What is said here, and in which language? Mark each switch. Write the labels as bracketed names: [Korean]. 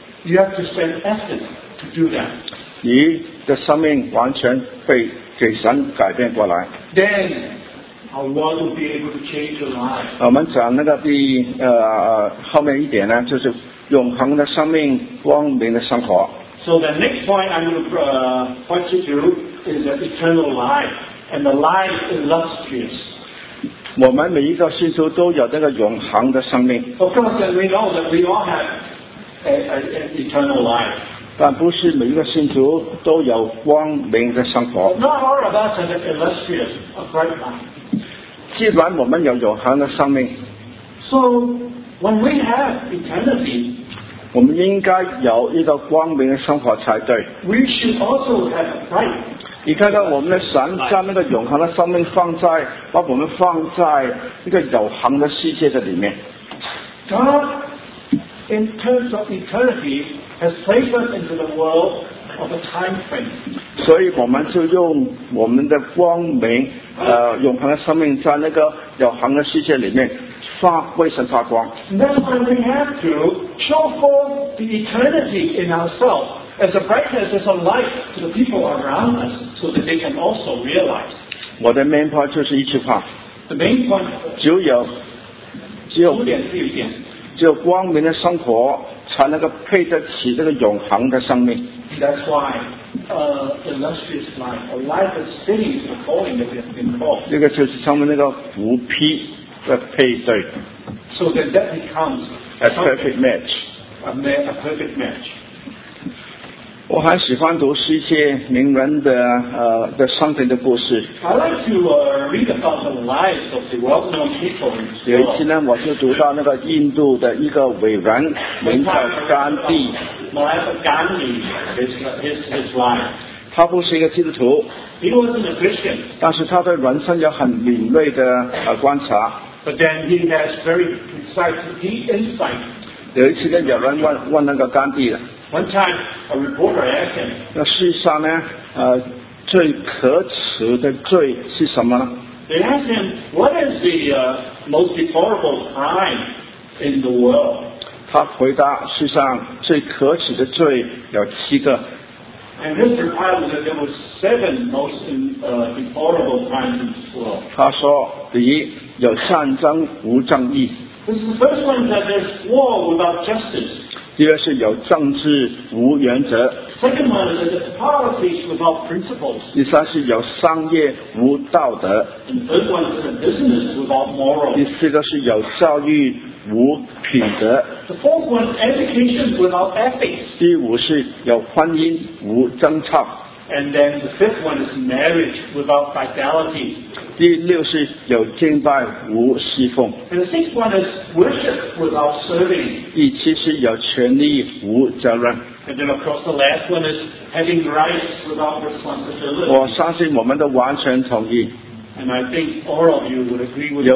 [English] ，You have to spend effort to do that. [Chinese] 你的生命完全被。给神改变过来。 [English] Then our world will be able to change your life. [Chinese] 我们讲那个第后面一点呢，就是永恒的生命、光明的生活。 [English] So the next point I'm going to point you to is the eternal life, and the life illustrious. [Chinese] 我们每一个信徒都有那个永恒的生命。 [English] Of course, we know that we all have an eternal life. [Chinese] 但不是每一个信徒都有光明的生活。 [English] Not all of us have an illustrious, a bright life. [Chinese] 既然我们有永恒的生命 [English] ，So when we have eternity, [Chinese] 我们应该有一个光明的生活才对。 [English] We should also have a bright. [Chinese] 你看看我们的神将那个永恒的生命放在把我们放在一个永恒的世界的里面。 [English] God, in terms of eternity. Has placed us into the world of a time frame. [Chinese] 所以我们就用我们的光明，永恒的生命在那个永恒的世界里面发为神发光。 [English] That's why we have to show forth the eternity in ourselves as a brightness, as a light to the people around us, so that they can also realize. [Chinese] 我的 [English] main point [Chinese] 就是一句话。 [English] The main point. [Chinese] 只有点，只有光明的生活。才能够配得起这个永恒的生命。 [English] That's why, illustrious life, a life of fitting the calling that we have been called. [Chinese] 那个就是他们那个福披的配对。 [English] So that that becomes a perfect match. A perfect match. [Chinese] 我还喜欢读一些名人的的生平的故事。 [English] I like to read about the lives of the well-known people. [Chinese] 有一次呢，我就读到那个印度的一个伟人，名叫甘地。 [English] Mahatma Gandhi, his life. [Chinese] 他不是一个基督徒。 [English] He wasn't a Christian. [Chinese] 但是他对人生有很敏锐的观察。 [English] But then he has very concise deep insight. [Chinese] 有一次呢，有人问那个甘地了。 [English] One time, a reporter asked him, [Chinese] 那世上呢，最可耻的罪是什么呢？ [English] They asked him, what is the most deplorable crime in the world? [Chinese] 他回答，世上最可耻的罪有七个。 [English] And his reply was that there were seven most deplorable crimes in the world. [Chinese] 他说，第一，有战争无正义。 [English] This is the first one that there's war without justice. [Chinese] 第二是有政治无原则。 [English] Second one is that policies without principles. [Chinese] 第三是有商业无道德。 [English] And third one is that business without morals. [Chinese] 第四个是有教育无品德。 [English] The fourth one, education without ethics. [Chinese] 第五是有婚姻无贞操。 [English] And then the fifth one is marriage without fidelity. [Chinese] 第六是有敬拜无侍奉。 [English] And the sixth one is worship without serving. [Chinese] 第七是有权利无责任。 [English] And then of course the last one is having rights without responsibility. [Chinese] 我相信我们都完全同意。 [English] And I think all of you would agree with that.